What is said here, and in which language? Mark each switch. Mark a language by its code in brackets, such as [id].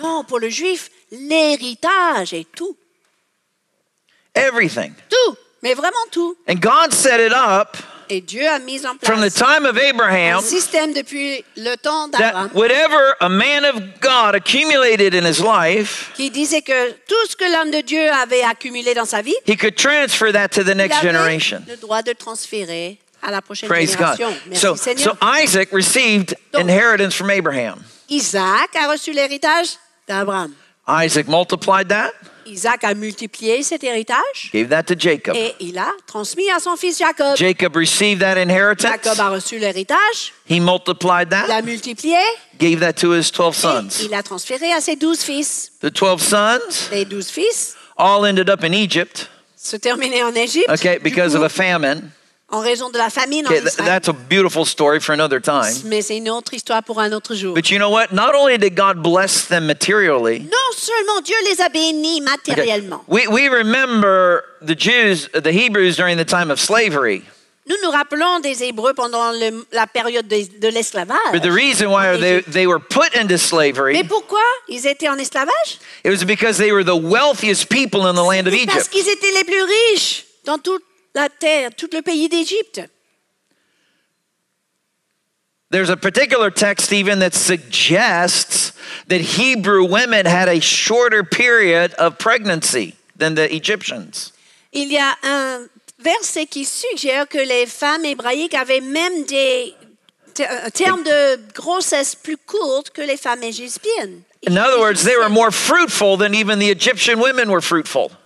[fr] Non, pour le juif, l'héritage est tout. [en] Everything. [fr] Tout. Mais vraiment tout. [en] And God set it up. [fr] Et Dieu a mis en place. [en] From the time of Abraham. [fr] Un système depuis le temps d'Abraham. [en] That whatever a man of God accumulated in his life. [fr] Qui disait que tout ce que l'homme de Dieu avait accumulé dans sa vie. [en] He could transfer that to the next generation. [fr] Le droit de transférer à la prochaine [en] Praise [fr] génération. [en] God. [fr] Merci Seigneur. [en] So Isaac received inheritance from Abraham. [fr] Isaac a reçu l'héritage d'Abraham. [en] Isaac multiplied that. [fr] Isaac a multiplié cet héritage. [en] Gave that to Jacob. [fr] Et il a transmis à son fils Jacob. [en] Jacob received that inheritance. [fr] Jacob a reçu l'héritage. [en] He multiplied that. [fr] Il a multiplié. [en] Gave that to his 12 sons. [fr] Et il a transféré à ses 12 fils. [en] The 12 sons. [fr] Les 12 fils. [en] All ended up in Egypt. [fr] Se terminaient en Égypte. [en] Okay, because [fr] coup, [en] of a famine. [fr] En raison de la famine [en] okay, [fr] en Israël. [en] That's a beautiful story for another time. [fr] Mais c'est une autre histoire pour un autre jour. [en] But you know what? Not only did God bless them materially. [fr] Non seulement Dieu les a bénis matériellement. [en] Okay. We remember the Jews, the Hebrews during the time of slavery. [fr] Nous nous rappelons des Hébreux pendant la période de l'esclavage. [en] But the reason why they were put into slavery. [fr] Mais pourquoi ils étaient en esclavage? [en] It was because they were the wealthiest people in the land of Egypt. [fr] Parce qu'ils étaient les plus riches dans toute la terre, tout le pays d'Égypte. [en] There's a particular text even that suggests that Hebrew women had a shorter period of pregnancy than the Egyptians. [fr] Il y a un verset qui suggère que les femmes hébraïques avaient même des termes de grossesse plus courtes que les femmes égyptiennes. [en] In other words, they were more fruitful than even the Egyptian women were fruitful.